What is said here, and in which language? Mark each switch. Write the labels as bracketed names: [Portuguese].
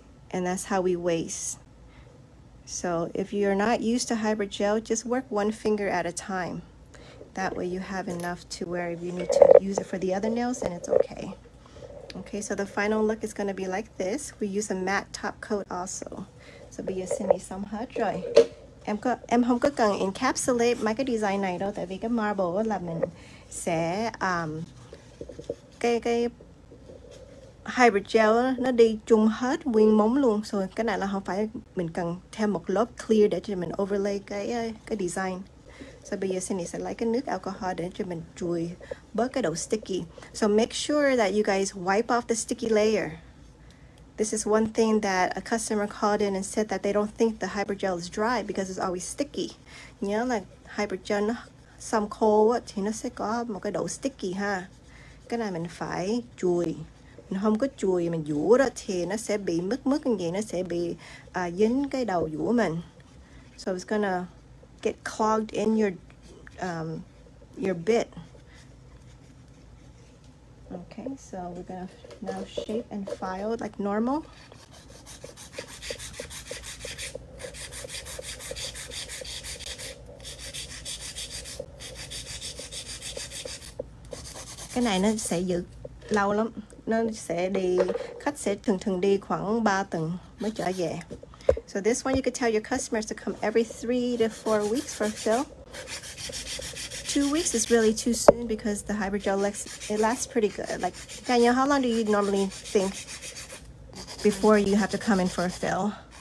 [English] And that's how we waste. So if you're not used to hypergel, just work one finger at a time. That way you have enough to wear if you need to use it for the other nails, and it's okay. Okay, so the final look is gonna be like this. We use a matte top coat also. [Vietnamese] So bây giờ xin đi xong hết rồi. Em không có cần encapsulate mấy cái design này đâu, tại vì cái marble là mình sẽ cái hypergel nó đi chung hết nguyên móng luôn. So cái này là không phải mình cần thêm một lớp clear để cho mình overlay cái design. So bây giờ Cindy sẽ lấy cái nước alcohol để cho mình chùi bớt cái độ sticky. [English] So make sure that you guys wipe off the sticky layer. This is one thing that a customer called in and said that they don't think the hypergel is dry because it's always sticky. [Vietnamese] Nhớ là hypergel nó xong khô thì nó sẽ có một cái độ sticky ha. Cái này mình phải chùi. Mình không có chùi, mình vũ đó thì nó sẽ bị mứt mứt như vậy. Nó sẽ bị dính cái đầu vũ mình. [English] So it's gonna get clogged in your bit. Okay, so we're gonna now shape and file like normal. [Vietnamese] Cái này nó sẽ giữ lâu lắm. Nó sẽ đi, khách sẽ thường thường đi khoảng 3 tuần mới trở về. [English] So this one you could tell your customers to come every 3 to 4 weeks for a fill. 2 weeks is really too soon because the hypergel lasts pretty good. Like Danielle, how long do you normally think before you have to come in for a fill?